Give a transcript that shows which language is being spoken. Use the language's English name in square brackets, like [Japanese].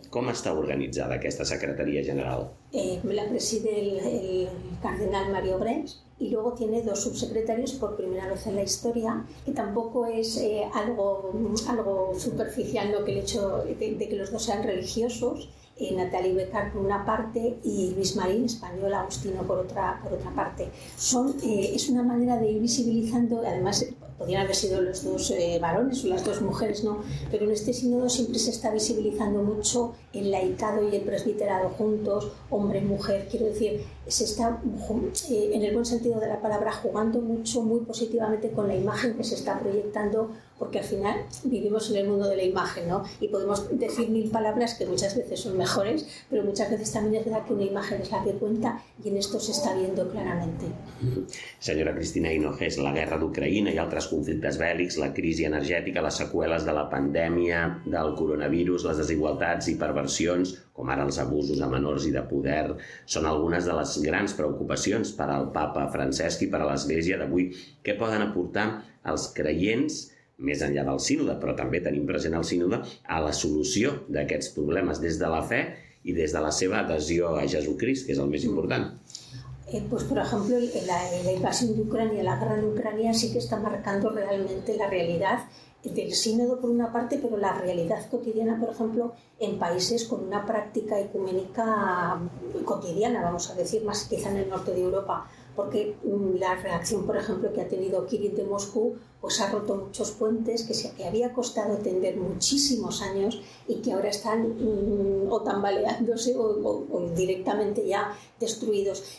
[Catalan] Com està organitzada aquesta Secretaria General? [Spanish] La preside el cardenal Mario Brens. Y luego tiene dos subsecretarios por primera vez en la historia, que tampoco es algo superficial, ¿no? Que el hecho de que los dos sean religiosos, Natalie Becar por una parte y Luis Marín, español, Agustino por otra parte. Es una manera de ir visibilizando, además podrían haber sido los dos varones o las dos mujeres, ¿no? Pero en este sínodo siempre se está visibilizando mucho el laicado y el presbiterado juntos, hombre-mujer, quiero decir, se está, en el buen sentido de la palabra, jugando mucho, muy positivamente con la imagen que se está proyectando, porque al final vivimos en el mundo de la imagen, ¿no? Y podemos decir mil palabras que muchas veces son mejores, pero muchas veces también es verdad que una imagen es la que cuenta, y en esto se está viendo claramente. [Catalan] Senyora Cristina Hinojés, la guerra d'Ucraïna i altres conflictes bèl·lics, la crisi energètica, les seqüeles de la pandèmia, del coronavirus, les desigualtats i perversions, com ara els abusos a menors i de poder, són algunes de les grans preocupacions per al Papa Francesc i per a l'Església d'avui. Què poden aportar els creients, més enllà del sínode, però també tenim present el sínode, a la solució d'aquests problemes des de la fe i des de la seva adhesió a Jesucrist, que és el més important? [Spanish] Pues, por ejemplo, la invasión de Ucrania, la guerra de Ucrania, sí que está marcando realmente la realidad del sínodo, por una parte, pero la realidad cotidiana, por ejemplo, en países con una práctica ecuménica cotidiana, vamos a decir, más quizá en el norte de Europa, porque la reacción, por ejemplo, que ha tenido Kirin de Moscú, pues ha roto muchos puentes que había costado tender muchísimos años y que ahora están o tambaleándose o directamente ya destruidos.